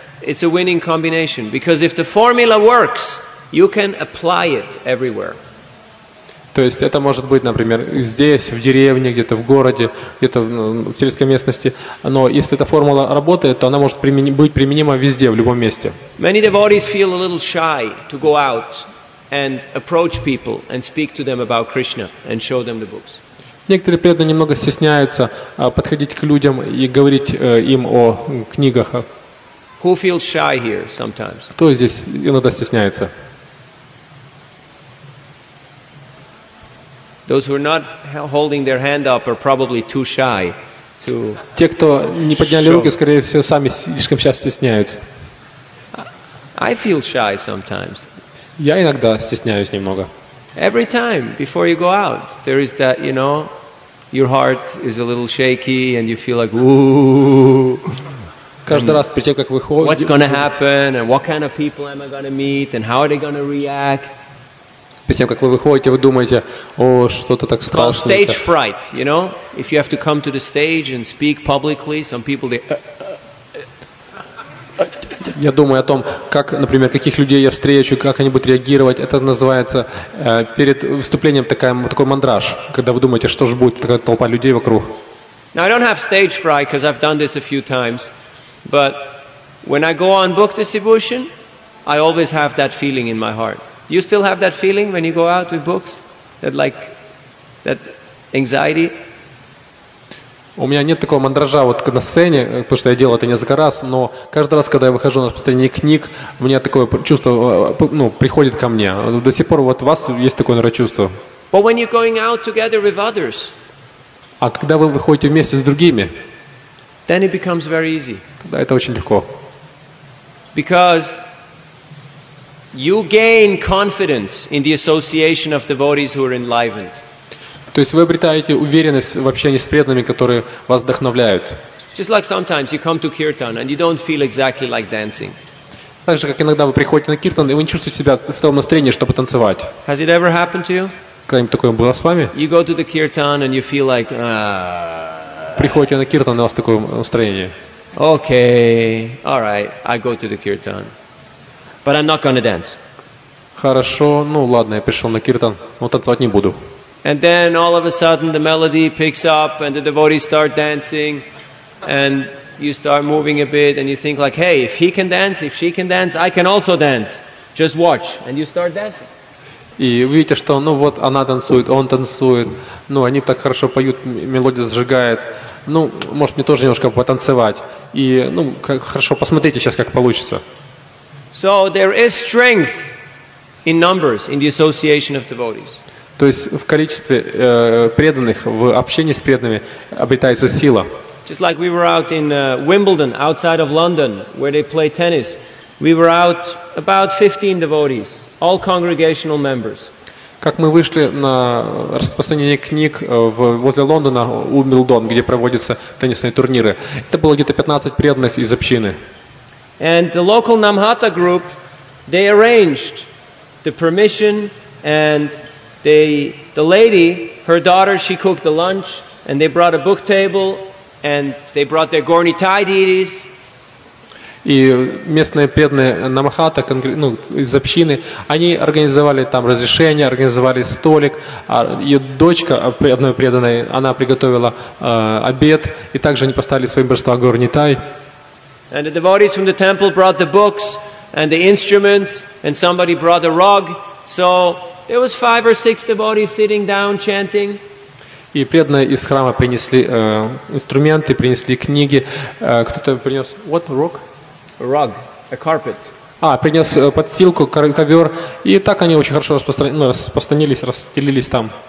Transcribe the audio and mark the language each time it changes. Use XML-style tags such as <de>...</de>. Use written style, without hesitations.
<en>It's a winning combination. Because if the formula works, you can apply it everywhere.</en> <ru>То есть это может быть, например, здесь, в деревне, где-то в городе, где-то в сельской местности. Но если эта формула работает, то она может быть применима везде, в любом месте.</ru> <en>Many devotees feel a little shy to go out and approach people and speak to them about Krishna and show them the books.</en> <ru>Некоторые преданные немного стесняются подходить к людям и говорить им о книгах.</ru> <en>Who feels shy here sometimes?</en> <ru>Кто здесь иногда стесняется?</ru> <en>Those who are not holding their hand up are probably too shy to.</en> <ru>Те, кто не подняли руки, скорее всего, сами слишком сейчас стесняются.</ru> <en>I feel shy sometimes.</en> <ru>Я иногда стесняюсь немного.</ru> <en>Every time before you go out, there is that, you know, your heart is a little shaky and you feel like, ooh.</en> <ru>Каждый раз перед тем, как вы ходите.</ru> <en>What's going to happen and what kind of people am I going to meet and how are they going to react?</en> <ru>Перед тем, как вы выходите, вы думаете, о, что-то так страшно.</ru> <en>Well, stage fright, you know? If you have to come to the stage and speak publicly, some people they...</en> <ru>Я думаю о том, как, например, каких людей я встречу, как они будут реагировать. Это называется перед выступлением такой мандраж, когда вы думаете, что же будет, такая толпа людей вокруг.</ru> <en>Now, I don't have stage fright, because I've done this a few times. But when I go on book distribution, I always have that feeling in my heart. Do you still have that feeling when you go out with books? That like, that anxiety?</en> <ru>У меня нет такого мандража вот на сцене, потому что я делал это несколько раз, но каждый раз, когда я выхожу на распространение книг, у меня такое чувство, ну, приходит ко мне. До сих пор вот у вас есть такое, наверное, чувство.</ru> <en>But when you're going out together with others,</en> <ru>а когда вы выходите вместе с другими,</ru> <en>then it becomes very easy.</en> <ru>Тогда это очень легко.</ru> <en>Because you gain confidence in the association of devotees who are enlivened.</en> <ru>То есть вы обретаете уверенность в общении с преданными, которые вас вдохновляют.</ru> <en>Just like sometimes you come to kirtan and you don't feel exactly like dancing.</en> <ru>Так же, как иногда вы приходите на киртан и вы не чувствуете себя в том настроении, чтобы танцевать.</ru> <en>Has it ever happened to you?</en> <ru>Когда-нибудь такое было с вами?</ru> <en>You go to the kirtan and you feel like.</en> <ru>Приходите на киртан, у вас такое настроение.</ru> <en>Okay, all right, I go to the kirtan. But I'm not going to dance.</en> <ru>Хорошо, ну ладно, я пришел на киртан, но танцевать не буду.</ru> <en>And then all of a sudden the melody picks up and the devotees start dancing and you start moving a bit and you think like, hey, if he can dance, if she can dance, I can also dance. Just watch. And you start dancing.</en> <ru>И видите, что, ну вот, она танцует, он танцует, ну они так хорошо поют, мелодия зажигает. Ну, может мне тоже немножко потанцевать. И, ну, как, хорошо, посмотрите сейчас, как получится.</ru> <en>So there is strength in numbers in the association of devotees.</en> <ru>То есть в количестве преданных, в общении с преданными обретается сила.</ru> <en>Just like we were out in Wimbledon, outside of London, where they play tennis, we were out about 15 devotees, all congregational members.</en> <ru>Как мы вышли на распространение книг возле Лондона, у Милдон, где проводятся теннисные турниры, это было где-то 15 преданных из общины.</ru> <en>And the local Namhata group, they arranged the permission and the lady, her daughter, she cooked the lunch and they brought a book table and they brought their Gorni Tideities.</en> <ru>И местные преданные Намахата, ну, из общины, они организовали там разрешение, организовали столик. А ее дочка, одной преданной, она приготовила обед. И также они поставили своим божества Горни Тай.</ru> <en>And the devotees from the temple brought the books and the instruments and somebody brought a rug. So there was five or six devotees sitting down chanting.</en> <ru>И преданные из храма принесли инструменты, принесли книги. Кто-то принес...</ru> <en>What rug? A rug, a carpet.</en> <ru>А, принес подстилку, ковер. И так они очень хорошо распространились, расстелились там.</ru>